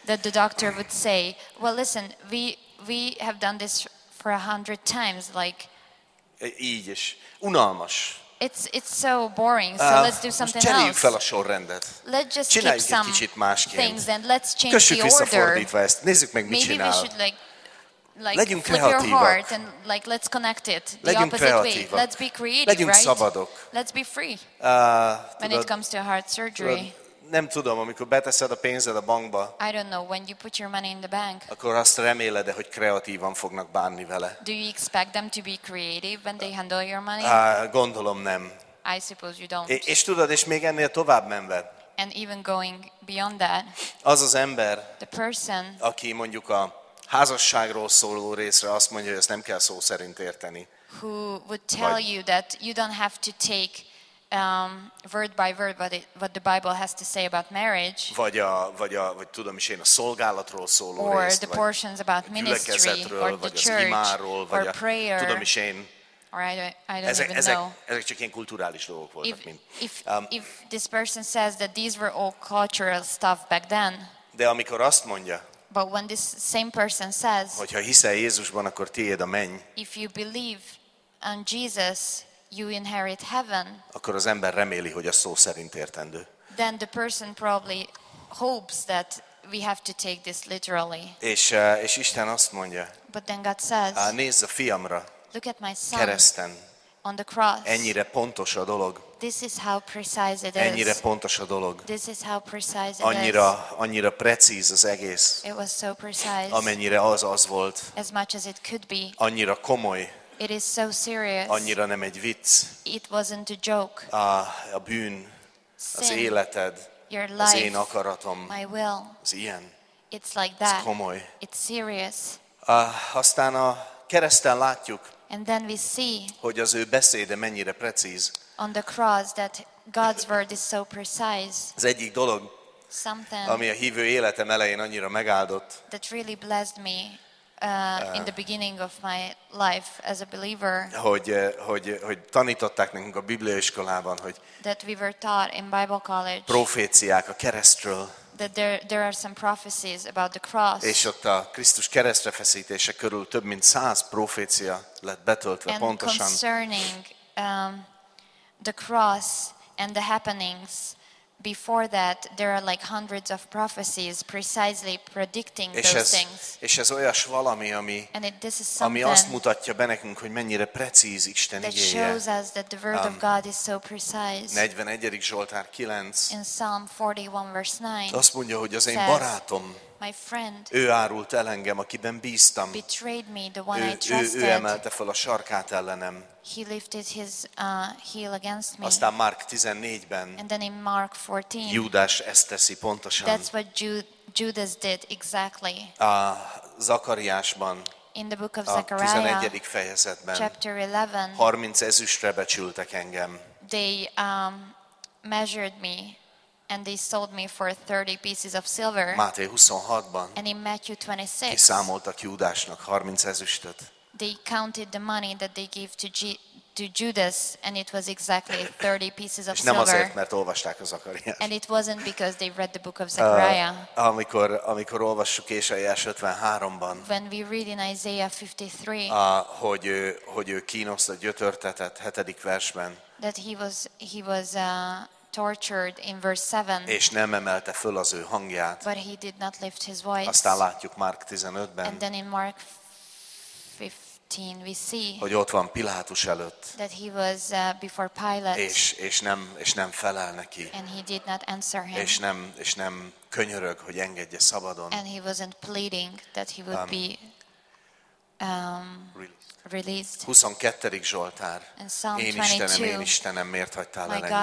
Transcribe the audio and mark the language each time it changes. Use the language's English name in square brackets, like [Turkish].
[English] That the doctor would say, well, listen, we have done this for 100 times, like. [Hungarian] Így is. Unalmas. [English] It's so boring. So let's do something [Hungarian] Cseréljük fel a sorrendet. [English] Let's just [Hungarian] csináljuk [English] keep some [Hungarian] kicsit másként. [English] Things and let's change [Hungarian] kössük [English] the order. [Hungarian] Kössük visszafordítva ezt. Nézzük meg, mit [English] maybe [Hungarian] csinál. [English] We should, like, [Hungarian] like legyünk flip kreatívak. [English] Your heart and like let's connect it the [Hungarian] legyünk [English] opposite [Hungarian] kreatívak. [English] Way. Let's be creative, [Hungarian] legyünk [English] right? [Hungarian] Szabadok. [English] Let's be free. When it comes to heart surgery. [Hungarian] Nem tudom, amikor beteszed a pénzed a bankba. [English] I don't know when you put your money in the bank. [Hungarian] Akkor azt reméled, hogy kreatívan fognak bánni vele? [English] Do you expect them to be creative when they handle your money? [Hungarian] Gondolom nem. [English] I suppose you don't. [Hungarian] És tudod, és még ennél tovább menve. [English] And even going beyond that. [Hungarian] Az az ember, [English] the person, [Hungarian] aki mondjuk a házasságról szóló részre azt mondja, hogy ezt nem kell szó szerint érteni. [English] Who would tell you that you don't have to take word by word what the Bible has to say about marriage. [Hungarian] Vagy tudom is én a szolgálatról szóló [English] or [Hungarian] részt, [English] the portions about ministry or the church [Hungarian] imáról, [English] or prayer. [Hungarian] Tudom is én. [English] Or I don't [Hungarian] ezek, [English] even [Hungarian] ezek, [English] know. [Hungarian] Ezek csak ilyen kulturális dolgok voltak. [English] If this person says that these were all cultural stuff back then. [Hungarian] De amikor azt mondja. [English] But when this same person says. [Hungarian] Hogyha hiszel Jézusban, akkor tiéd a menny. [English] If you believe in Jesus, you inherit heaven. [Hungarian] Akkor az ember reméli, hogy a szó szerint értendő. [English] Then the person probably hopes that we have to take this literally. [Hungarian] És Isten azt mondja. [English] But then God says. [Hungarian] Nézz a fiamra. [English] Look at my son. [Hungarian] Kereszten. [English] On the cross. [Hungarian] Ennyire pontos a dolog. [English] This is how precise it is. [Hungarian] Ennyire pontos a dolog. [English] This is how precise it [Hungarian] annyira, [English] is. [Hungarian] Annyira precíz az egész. [English] It was so precise. [Hungarian] Amennyire az volt. [English] As much as it could be. [Hungarian] Annyira komoly. [English] It is so serious. [Hungarian] Annyira nem egy vicc. [English] It wasn't a joke. [Hungarian] A bűn, az életed, [English] your life, [Hungarian] az én akaratom, [English] my will. [Hungarian] Az ilyen. [English] It's like that. [Hungarian] Ez komoly. [English] It's serious. [Hungarian] Aztán a kereszten látjuk, [English] and then we see, [Hungarian] hogy az ő beszéde mennyire precíz. [English] On the cross that God's word is so precise. [Hungarian] Az egyik dolog, [English] something, [Hungarian] ami a hívő életem elején annyira megáldott, [English] that really blessed me. In the beginning of my life as a believer, [Hungarian] hogy tanították nekünk a Bibliaiskolában, hogy [English] that we were taught in Bible college, [Hungarian] proféciák a keresztről, [English] that there are some prophecies about the cross, [Hungarian] és ott a Krisztus keresztre feszítése körül több mint 100 profécia lett betöltve [English] and [Hungarian] pontosan. [English] And concerning the cross and the happenings. Before that, there are like hundreds of prophecies precisely predicting those things. [Hungarian] És ez olyas valami, ami azt mutatja be nekünk, hogy mennyire precíz Isten igéje. [English] That shows us that the word of God is so precise. [Hungarian] 41. Zsoltár 9. [English] In Psalm 41 verse 9. [Hungarian] Azt mondja, hogy az én barátom. [English] My friend, [Hungarian] ő árult el engem, akiben bíztam. [English] Betrayed me, the one I trusted. [Hungarian] Ő emelte fel a sarkát ellenem. [English] He lifted his heel against me. [Hungarian] Aztán Mark 14-ben. [English] And then in Mark 14. [Hungarian] Júdás ezt teszi pontosan. [English] That's what Judas did exactly. [Hungarian] Zakariásban. [English] In the book of Zechariah. [Hungarian] 11. fejezetben. [English] Chapter 11. [Hungarian] 30 ezüstre becsültek engem. [English] They measured me. And they sold me for 30 pieces of silver. [Hungarian] Máté 26-ban. [English] And in Matthew 26. [Hungarian] Kiszámoltak Júdásnak 30 ezüstöt. [English] They counted the money that they gave to Judas, and it was exactly 30 pieces of silver. [Hungarian] És nem azért, mert olvasták a Zakariást. [English] And it wasn't because they read the book of Zechariah. [Hungarian] Amikor olvassuk Ésaiás 53-ban. [English] When we read in Isaiah 53. [Hungarian] Hogy ő kínoszta, gyötörtetett, 7. versben. [English] That he was tortured in verse 7. [Hungarian] És nem emelte föl az ő hangját. [English] But he did not lift his voice. [Hungarian] Aztán látjuk Mark 15-ben. [English] And then in Mark 15 we see. [Hungarian] Hogy ott van Pilátus előtt. [English] That he was before Pilate. [Hungarian] És nem felel neki. [English] And he did not answer him. [Hungarian] És nem könyörög, hogy engedje szabadon. [English] And he wasn't pleading that he would be released. [Hungarian] 22. Zsoltár. Én Istenem, miért hagytál el engem?